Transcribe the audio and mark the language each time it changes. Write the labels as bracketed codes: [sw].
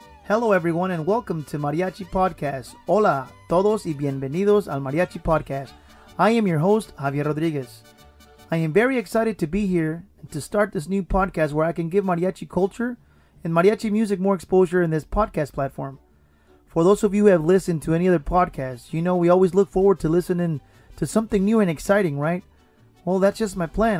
[en] Hello everyone and welcome to Mariachi Podcast. [es] Hola todos y bienvenidos al Mariachi Podcast. [en] I am your host, Javier Rodriguez. I am very excited to be here to start this new podcast where I can give mariachi culture and mariachi music more exposure in this podcast platform. For those of you who have listened to any other podcasts, you know we always look forward to listening to something new and exciting, right? Well, that's just my plan.